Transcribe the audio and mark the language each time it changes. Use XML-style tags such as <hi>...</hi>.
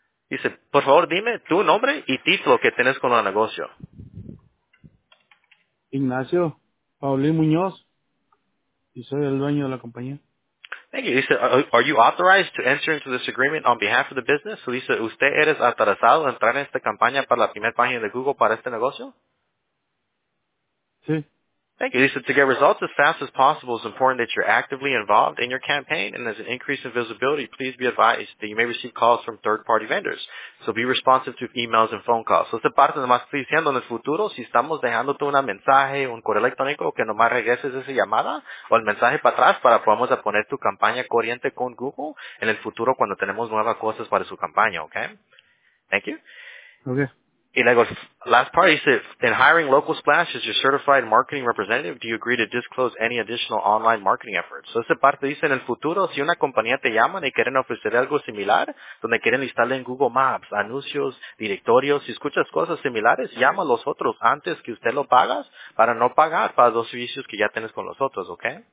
<es>Dice, por favor, dime tu nombre y título que tienes con el negocio. Ignacio Paulín Muñoz, y soy el dueño de la compañía.</es> <en>Thank you.</en> <es>Dice,</es> <en>are you authorized to enter into this agreement on behalf of the business?</en> <es>So dice, ¿usted eres autorizado a entrar en esta campaña para la primera página de Google para este negocio? Sí.</es> <en>Thank you.</en> <es>Dice,</es> <en>to get results as fast as possible, it's important that you're actively involved in your campaign, and as an increase in visibility, please be advised that you may receive calls from third-party vendors. So be responsive to emails and phone calls.</en> <es>So esta parte nomás estoy diciendo en el futuro, si estamos dejándote un mensaje, un correo electrónico, que nomás regreses esa llamada o el mensaje para atrás para podamos poner tu campaña corriente con Google en el futuro cuando tenemos nuevas cosas para su campaña, okay?</es> <en>Thank you. Okay.</en> <es>Y luego,</es> <en>last part, he said, in hiring Local Splash as your certified marketing representative, do you agree to disclose any additional online marketing efforts?</en> <es>So, esa parte dice, en el futuro, si una compañía te llama y quieren ofrecer algo similar, donde quieren instalar en Google Maps, anuncios, directorios, si escuchas cosas similares, llama a los otros antes que usted lo pagas para no pagar para los servicios que ya tienes con los otros, ¿ok?</es>